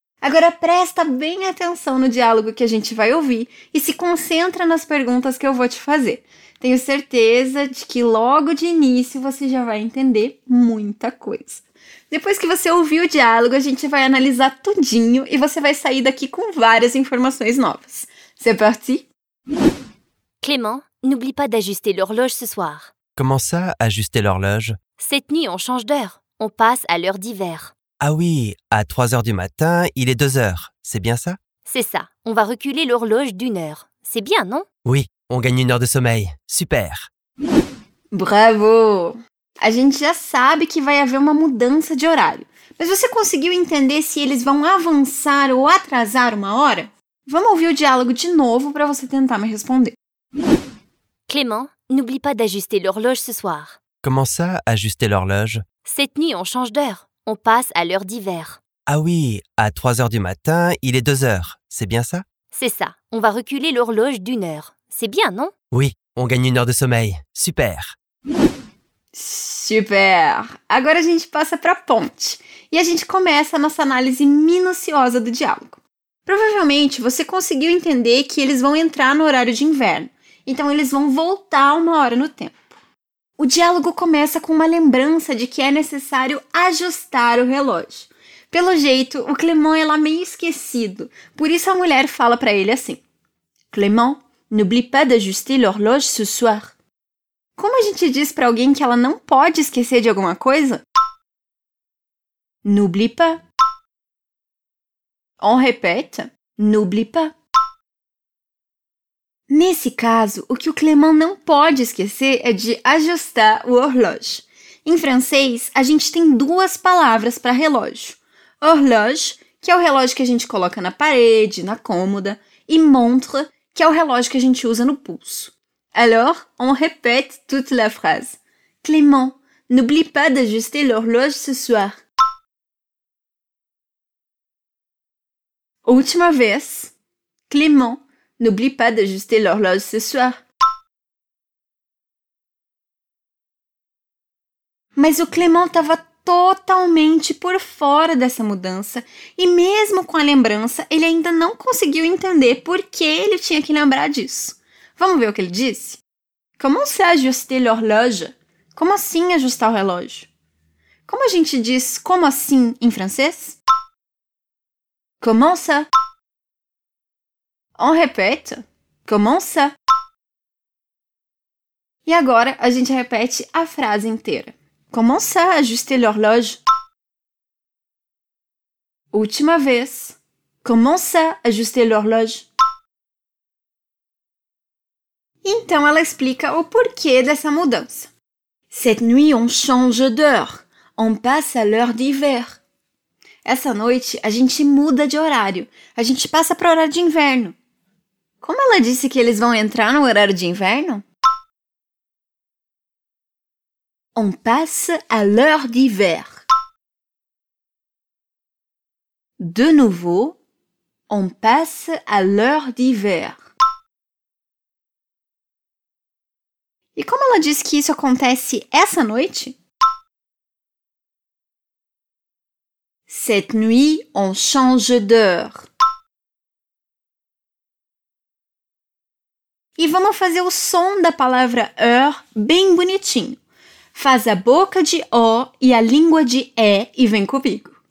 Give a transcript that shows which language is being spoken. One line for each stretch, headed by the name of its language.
Portuguese: Agora presta bem atenção no diálogo que a gente vai ouvir e se concentra nas perguntas que eu vou te fazer. Tenho certeza de que logo de início você já vai entender muita coisa. Depois que você ouvir o diálogo, a gente vai analisar tudinho e você vai sair daqui com várias informações novas.
French: C'est parti? Clément, n'oublie pas d'ajuster l'horloge ce soir. Comment ça, ajuster l'horloge? Cette nuit, on change d'heure. On passe à l'heure d'hiver. Ah oui, à 3h du matin, il est 2h. C'est bien ça? C'est ça. On va reculer l'horloge d'une heure. C'est bien, non? Oui. On gagne une heure de sommeil. Super! Bravo!
Portuguese: A gente já sabe que vai haver uma mudança de horário. Mas você conseguiu entender se eles vão avançar ou atrasar uma hora? Vamos ouvir o diálogo de novo para você tentar me responder.
French: Clément, n'oublie pas d'ajuster l'horloge ce soir. Comment ça, ajuster l'horloge? Cette nuit, on change d'heure. On passe à l'heure d'hiver. Ah oui, à 3h du matin, il est 2h. C'est bien ça? C'est ça. On va reculer l'horloge d'une heure. C'est bien, non? Oui, on gagne une heure de sommeil. Super! Super!
Portuguese: Agora a gente passa para a ponte. E a gente começa a nossa análise minuciosa do diálogo. Provavelmente, você conseguiu entender que eles vão entrar no horário de inverno. Então, eles vão voltar uma hora no tempo. O diálogo começa com uma lembrança de que é necessário ajustar o relógio. Pelo jeito, o Clément é lá meio esquecido. Por isso, a mulher fala para ele assim.
French: Clément? N'oublie pas d'ajuster l'horloge ce soir.
Portuguese: Como a gente diz para alguém que ela não pode esquecer de alguma coisa?
French: N'oublie pas. On répète. N'oublie pas.
Portuguese: Nesse caso, o que o Clément não pode esquecer é de ajustar o horloge. Em francês, a gente tem duas palavras para relógio. Horloge, que é o relógio que a gente coloca na parede, na cômoda, e montre, que é o relógio que a gente usa no pulso.
French: Alors, on répète toute la phrase. Clément, n'oublie pas d'ajuster l'horloge ce soir.
Portuguese: Última vez.
French: Clément, n'oublie pas d'ajuster l'horloge ce soir.
Portuguese: mas o Clément estava totalmente por fora dessa mudança e mesmo com a lembrança, ele ainda não conseguiu entender por que ele tinha que lembrar disso. Vamos ver o que ele disse? Como se
French: ajuste l'horloge?
Portuguese: Como assim ajustar o relógio? Como a gente diz como assim em francês?
French: Comment ça? On répète. Comment ça?
Portuguese: E agora a gente repete a frase inteira.
French: Comment ça ajuste l'horloge?
Portuguese: Última vez.
French: Comment ça ajuste l'horloge?
Portuguese: Então ela explica o porquê dessa mudança.
French: Cette nuit on change d'heure. On passe à l'heure d'hiver.
Portuguese: Essa noite, a gente muda de horário. A gente passa para o horário de inverno. Como ela disse que eles vão entrar no horário de inverno?
French: On passe à l'heure d'hiver. De nouveau, on passe à l'heure d'hiver.
Portuguese: E como ela disse que isso acontece essa noite?
French: Cette nuit, on change d'heure.
Portuguese: E vamos fazer o som da palavra heure bem bonitinho. Faz a boca de O e a língua de E e vem comigo.